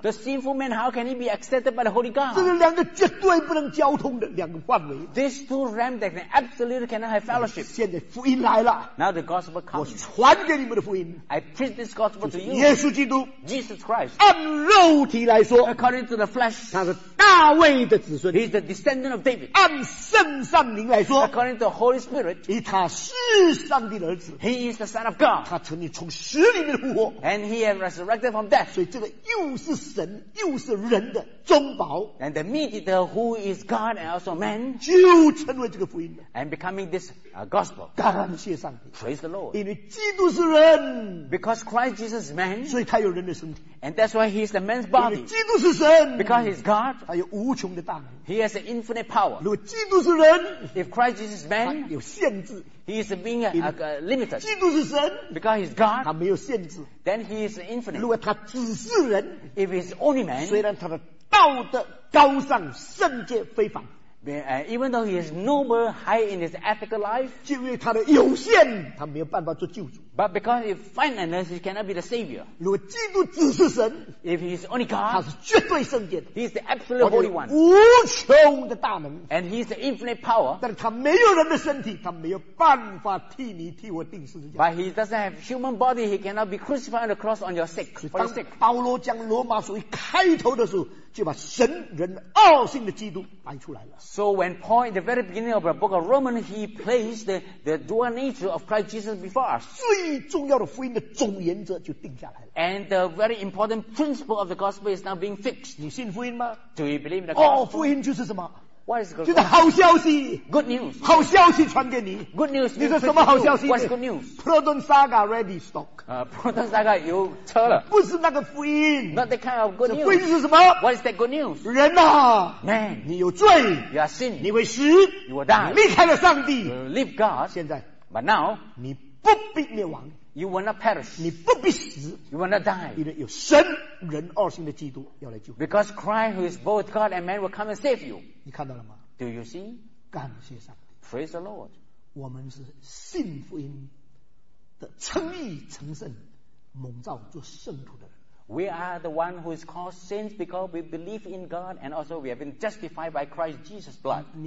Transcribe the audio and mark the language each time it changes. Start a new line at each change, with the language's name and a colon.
English: The sinful man, how can he be accepted by the holy God?
Chinese: 这是两个绝对不能交通的两个范围。
English: These two realms that can absolutely cannot have fellowship.
Chinese: 现在福音来了。
English: Now the gospel comes.
Chinese: 给你们的福音
English: I preach this gospel to you
Chinese: 耶稣基督
English: Jesus Christ
Chinese: 按肉体来说
English: According to the flesh
Chinese: 他是大卫的子孙
English: He is the descendant of David
Chinese: 按圣善灵来说
English: According to the Holy Spirit
Chinese: 以他是上帝的儿子
English: He is the Son of God
Chinese: 他曾经从死里面复活
English: And he has resurrected from death
Chinese: 所以这个又是神又是人的中保
English: And the mediator who is God and also man
Chinese: 就成为这个福音
English: And becoming this gospel
Chinese: 感谢上帝
English: Praise the Lord
Chinese: 因为基督是人
English: because Christ Jesus is man
Chinese: 所以他有人的身体
English: and that's why he is the man's body
Chinese: 基督是神
English: because he is God
Chinese: 他有无穷的大能
English: he has an infinite power
Chinese: 如果基督是人
English: if Christ Jesus is man
Chinese: 他有限制
English: he is being limited
Chinese: 基督是神
English: because he is God
Chinese: 他没有限制
English: then he is infinite
Chinese: 如果他只是人
English: if he is only man
Chinese: 虽然他的道德高尚圣洁非凡
English: even though he is noble, high in his ethical life,
Chinese: 因为他的有限，他没有办法做救主。
English: But because of finiteness, he cannot be the savior.
Chinese: 如果基督只是神
English: ，if he is only God,
Chinese: 他是绝对圣洁的。
English: He is the absolute holy one.
Chinese: 无穷的大能
English: ，and he is the infinite power.
Chinese: 但是他没有人的身体，他没有办法替你替我钉十字架。
English: But he doesn't have human body. He cannot be crucified on the cross on your sake. For your sake.
Chinese: 当保罗将罗马书一开头的时候。就把神人二性的基督摆出来了。
English: So when Paul in the very beginning of the book of Romans, he placed the dual nature of Christ Jesus before us.
Chinese: 最重要的福音的总原则就定下来了。
English: And the very important principle of the gospel is now being fixed.
Chinese: 你信福音吗？
English: Do you believe in the gospel?
Chinese: 哦，福音就是什么？
English: What is the
Chinese: gospel? 就是好消息。
English: Good news.
Chinese: 好消息传给你。
English: Good news.
Chinese: 你说什么好消息？
English: What's good news? Proton Saga ready stock.
Chinese: Proton Saga 有车了。不是那个福音。
English: Not that kind of good news.
Chinese: 福音是什么？
English: What is that good news?
Chinese: 人啊。
English: Man.
Chinese: 你有罪。
English: You are sin.
Chinese: 你会死。
English: You will die.
Chinese: 离开了上帝。
English: You leave God.
Chinese: 现在。
English: But now.
Chinese: 你不必灭亡。
English: You will not perish.
Chinese: 你不必死。
English: You will not die.
Chinese: 因为有神人二性的基督要来救。
English: Because Christ who is both God and man will come and save you.
Chinese: 你看到了吗？
English: Do you see?
Chinese: 感谢上帝。
English: Praise the Lord.
Chinese: 我们是信福音的称义成圣蒙召做圣徒的人。
English: We are the one who is called saints because we believe in God and also we have been justified by Christ Jesus' blood.